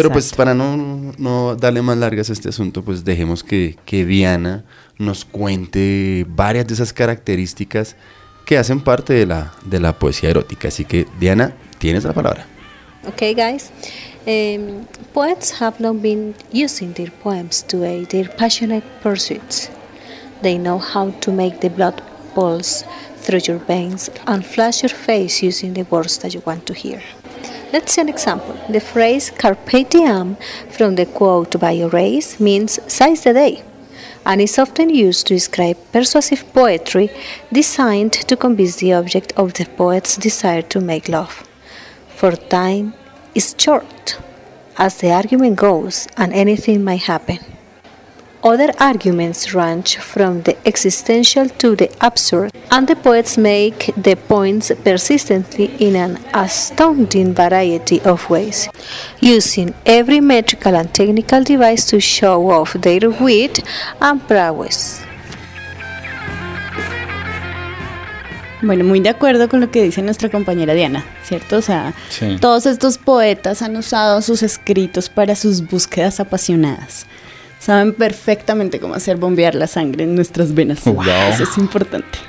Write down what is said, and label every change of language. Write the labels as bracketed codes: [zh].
[es] Pero pues para no darle más largas a este asunto, pues dejemos que Diana nos cuente varias de esas características que hacen parte de la poesía erótica. Así que, Diana, tienes la palabra. [en] Okay, guys. Poets have long been using their poems to aid their passionate pursuits. They know how to make the blood pulse through your veins and flush your face using the words that you want to hear. Let's see an example. The phrase carpe diem from the quote by Horace means seize the day, and is often used to describe persuasive poetry designed to convince the object of the poet's desire to make love. For time is short, as the argument goes, and anything might happen. Other arguments range from the existential to the absurd, and the poets make the points persistently in an astounding variety of ways, using every metrical and technical device to show off their wit and prowess. [es] Bueno, muy de acuerdo con lo que dice nuestra compañera Diana, ¿cierto? O sea, sí. Todos estos poetas han usado sus escritos para sus búsquedas apasionadas. saben perfectamente cómo hacer bombear la sangre en nuestras venas. Wow. Eso es importante.